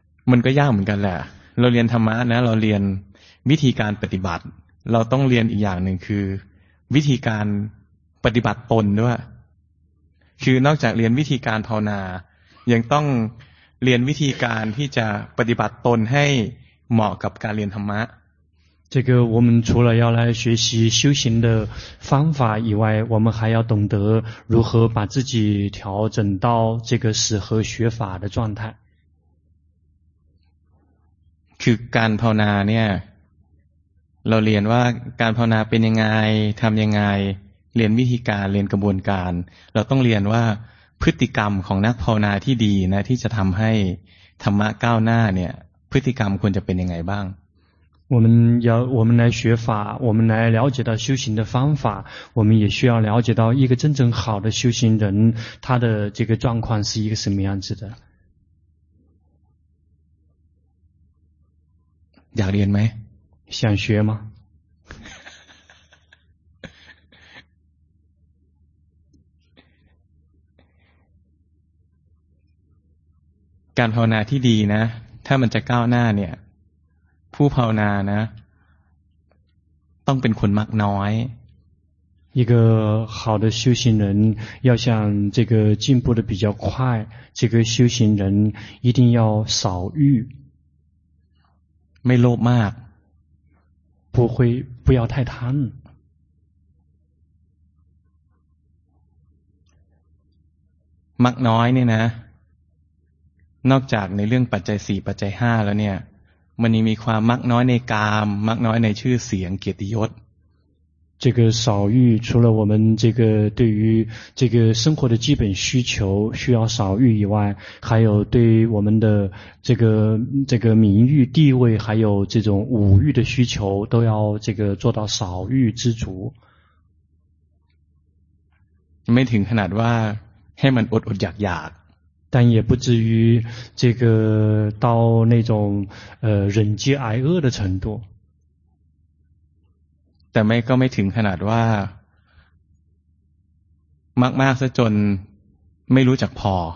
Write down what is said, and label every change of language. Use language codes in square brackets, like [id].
[th] มันก็ยากเหมือนกันแหละเราเรียนธรรมะนะเราเรียนวิธีการปฏิบัติเราต้องเรียนอีกอย่างหนึ่งคือวิธีการปฏิบัติตนด้วยคือนอกจากเรียนวิธีการภาวนายังต้องเรียนวิธีการที่จะปฏิบัติตนให้เหมาะกับการเรียนธรรมะ [zh] 这个我们除了要来学习修行的方法以外我们还要懂得如何把自己调整到这个适合学法的状态 [th] คือการภาวนาเนี่ยเราเรียนว่าการภาวนาเป็นยังไงทำยังไงเรียนวิธีการเรียนกระบวนการเราต้องเรียนว่าพฤติกรรมของนักภาวนาที่ดีนะที่จะทำให้ธรรมะก้าวหน้าเนี่ยพฤติกรรมควรจะเป็นยังไงบ้าง [zh] 我们要我们来学法我们来了解到修行的方法我们也需要了解到一个真正好的修行人他的这个状况是一个什么样子的 [th] อยากเรียนไหม [zh] 想学吗？ [th] การภาวนาที่ดีนะถ้ามันจะก้าวหน้าเนี่ยผู้ภาวนานะต้องเป็นคนมักน้อย [zh] 一个好的修行人要想这个进步的比较快这个修行人一定要少欲 [th] ไม่โลภมาก [zh] 不会不要太贪 [th] มักน้อยเนี่ยนะนอกจากในเรื่องปัจจัย4ปัจจัย5แล้วเนี่ย มันยังมีความมักน้อยในกามมักน้อยในชื่อเสียงเกียรติยศ [zh] 这个少欲除了我们这个对于这个生活的基本需求需要少欲以外还有对于我们的这个名誉地位还有这种五欲的需求都要这个做到少欲知足没听很难的话黑门我压压但也不至于这个到那种忍饥挨饿的程度 [th] แต่ไม่ก็ไม่ถึงขนาดว่ามากมากซะจนไม่รู้จักพอ